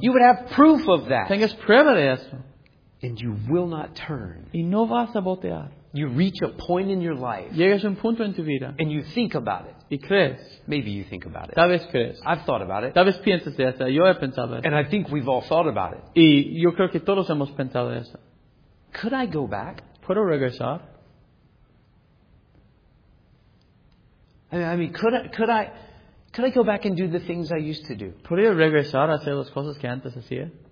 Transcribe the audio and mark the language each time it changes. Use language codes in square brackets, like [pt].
[en] You would have proof of that. [es] Tengas prueba de eso. [en] And you will not turn. [es] Y no vas a voltear. [en] You reach a point in your life. [es] Llegas a un punto en tu vida. [en] And you think about it. [es] Y crees. [en] Maybe you think about it. [es] Tal vez crees. [en] I've thought about it. [es] Tal vez piensas de eso. Yo he pensado eso. [en] And I think we've all thought about it. [es] Y yo creo que todos hemos pensado eso. [en] Could I go back? [es] ¿Puedo regresar? [en] I mean, could I go back and do the things I used to do? [es] ¿Podría regresar a hacer las cosas que antes hacía?